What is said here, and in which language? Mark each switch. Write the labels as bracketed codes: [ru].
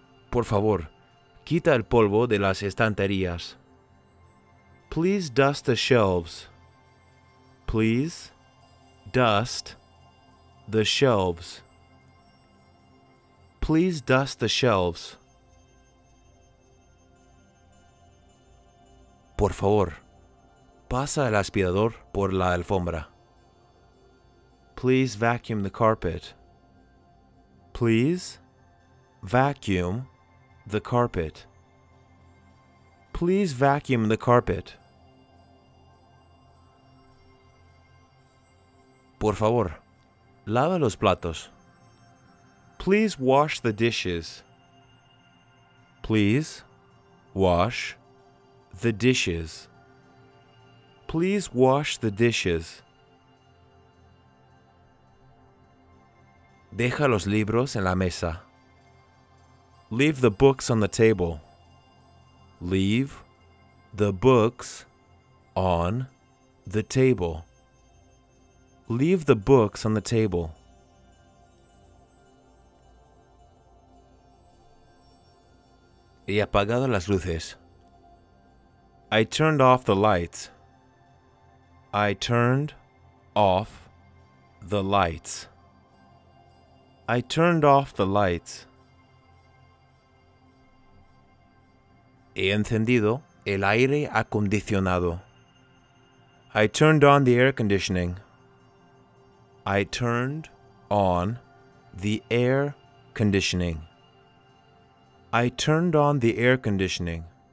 [es] Por favor, quita el polvo de las estanterías. [en] Please dust the shelves. Please dust the shelves. Please dust the shelves. [es] Por favor, pasa el aspirador por la alfombra. [en] Please vacuum the carpet. Please vacuum the carpet. Please vacuum the carpet. [es] Por favor, lava los platos. [en] Please wash the dishes. Please wash the dishes. Please wash the dishes. [es] Deja los libros en la mesa. [en] Leave the books on the table. Leave the books on the table. Leave the books on the table. [es] He apagado las luces. [en] I turned off the lights. I turned off the lights. I turned off the lights. [es] He encendido el aire acondicionado. [en] I turned on the air conditioning. I turned on the air conditioning. I turned on the air conditioning.